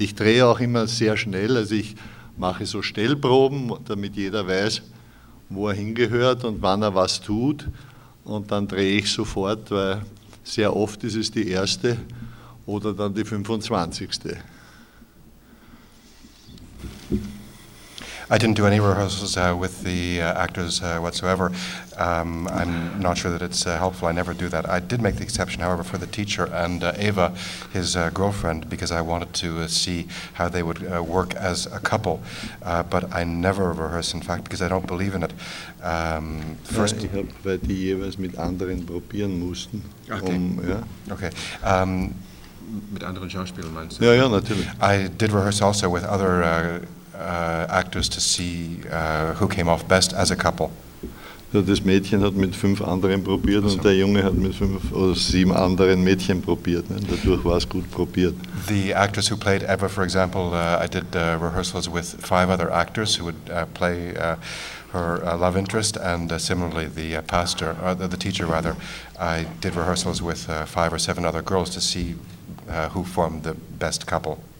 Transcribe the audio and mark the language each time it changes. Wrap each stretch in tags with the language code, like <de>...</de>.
<de>Ich drehe auch immer sehr schnell, also ich mache so Stellproben, damit jeder weiß, wo er hingehört und wann er was tut. Und dann drehe ich sofort, weil sehr oft ist es die erste oder dann die 25.</de> <en>I didn't do any rehearsals with the actors whatsoever. I'm not sure that it's helpful. I never do that. I did make the exception, however, for the teacher and Eva, his girlfriend, because I wanted to see how they would work as a couple. But I never rehearse, in fact, because I don't believe in it.</en> <de>First, ich hab, weil die jeweils mit anderen probieren mussten.</de> <en>Okay. Okay.</en> <de>Mit anderen Schauspielern meinst du? Ja, natürlich.</de> <en>I did rehearse also with other actors to see who came off best as a couple.</en> <de>So das Mädchen hat mit 5 anderen probiert und der Junge hat mit 5 oder 7 anderen Mädchen probiert. Ne? Dadurch war es gut probiert.</de> <en>The actress who played Eva, for example, I did rehearsals with 5 other actors who would play her love interest, and similarly the pastor, the teacher rather. I did rehearsals with 5 or 7 other girls to see who formed the best couple.</en>